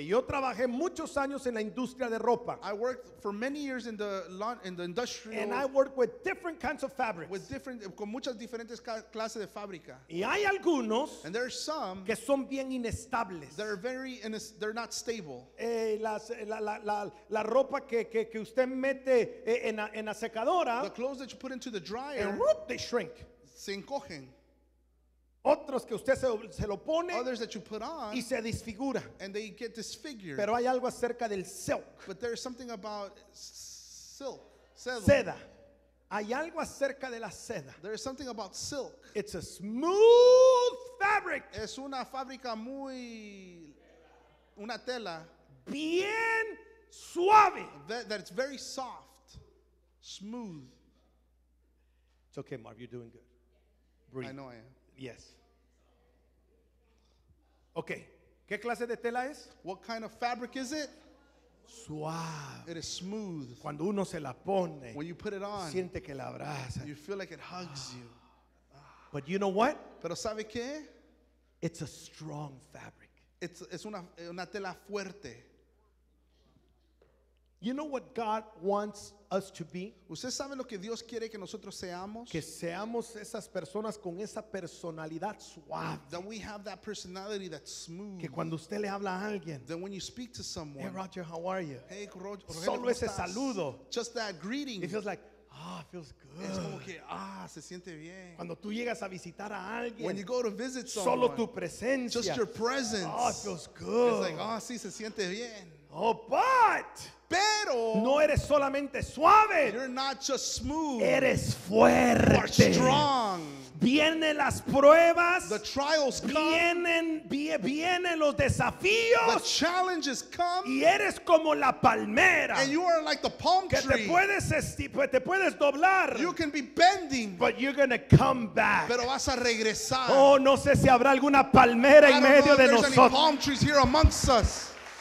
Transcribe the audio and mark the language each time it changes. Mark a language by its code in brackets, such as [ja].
[es] Yo trabajé muchos años en la industria de ropa. [en] I worked for many years in the industrial, and I worked with different kinds of fabrics, with different, [es] con muchas diferentes clases de fábrica. Y hay algunos, [en] and there are some [es] que son bien inestables. [en] They're very they're not stable. [es] La ropa que usted mete en la secadora, [en] the clothes that you put into the dryer, and whoop, they shrink. [es] Se encogen. Otros que usted se lo pone, [en] others that you put on, [es] y se disfigura, [en] and they get disfigured. [es] Pero hay algo acerca del silk. [en] But there is something about silk. Seda. [es] Seda. Hay algo acerca de la seda. [en] There is something about silk. It's a smooth fabric. [es] Es una fábrica muy, una tela. Bien suave. [en] That it's very soft, smooth. It's okay, Marv. You're doing good. Breathe. I know I am. Yes. [es] Okay. ¿Qué clase de tela es? [en] What kind of fabric is it? [es] Suave. [en] It is smooth. [es] Cuando uno se la pone, [en] when you put it on, [es] siente que la abraza. [en] You feel like it hugs you. But you know what? [es] Pero sabe qué? [en] It's a strong fabric. [es] Es una tela fuerte. [en] You know what God wants us to be? [es] ¿Usted sabe lo que Dios quiere que nosotros seamos? Que seamos esas personas con esa personalidad suave. [en] That we have that personality that's smooth. [es] Que cuando usted le habla a alguien, [en] that when you speak to someone, hey Roger, how are you? Hey Roger, [es] solo ese saludo, [en] just that greeting, it feels like, ah, oh, feels good. [es] Es como que, ah, se siente bien. Cuando tú llegas a visitar a alguien, [en] when you go to visit someone, [es] solo tu presencia, [en] just your presence, ah, oh, feels good. It's like, [es] ah, oh, sí, se siente bien. [en] Oh, but. [es] Pero no eres solamente suave. [en] You're not just smooth. [es] Eres fuerte. [en] You're strong. [es] Vienen las pruebas. [en] The trials come. [es] Vienen los desafíos. [en] The challenges come. [es] Y eres como la palmera. [en] And you are like the palm tree. [es] Que te puedes doblar. [en] You can be bending. But you're gonna come back. [es] Pero vas a regresar. Oh, no sé si habrá alguna palmera en medio de nosotros. [en] I don't know if there's any palm trees here amongst us.